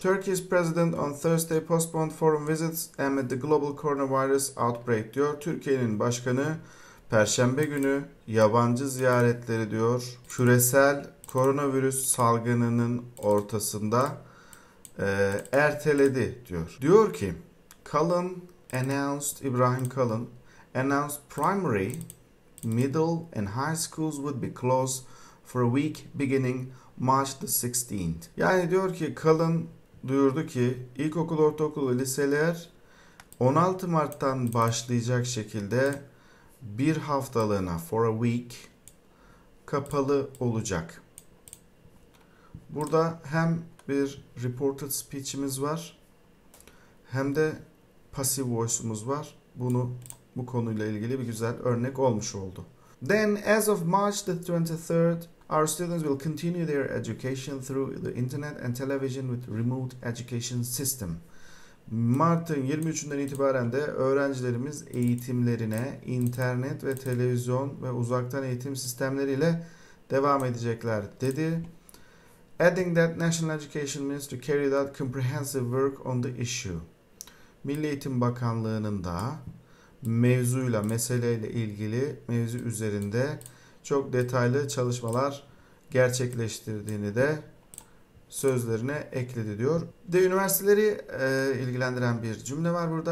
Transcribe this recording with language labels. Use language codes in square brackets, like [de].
[en] Turkey's president on Thursday postponed foreign visits amid the global coronavirus outbreak [tr] diyor. Türkiye'nin başkanı Perşembe günü yabancı ziyaretleri diyor, küresel koronavirüs salgınının ortasında erteledi diyor. Diyor ki, [en] İbrahim Kalın announced primary, middle and high schools would be closed for a week beginning March the 16th. [tr] Yani diyor ki, Kalın duyurdu ki ilkokul, ortaokul ve liseler 16 Mart'tan başlayacak şekilde bir haftalığına, [en] for a week, [tr] kapalı olacak. Burada hem bir reported speech'imiz var, hem de passive voice'umuz var. Bu konuyla ilgili bir güzel örnek olmuş oldu. [en] Then, as of March the 23rd, our students will continue their education through the internet and television with remote education system. [tr] Mart'ın 23'ünden itibaren de öğrencilerimiz eğitimlerine internet ve televizyon ve uzaktan eğitim sistemleriyle devam edecekler dedi. [en] Adding that National Education Ministry carried out comprehensive work on the issue. [tr] Milli Eğitim Bakanlığı'nın da mevzuyla, meseleyle ilgili mevzu üzerinde çok detaylı çalışmalar gerçekleştirdiğini de sözlerine ekledi diyor. De üniversiteleri ilgilendiren bir cümle var burada.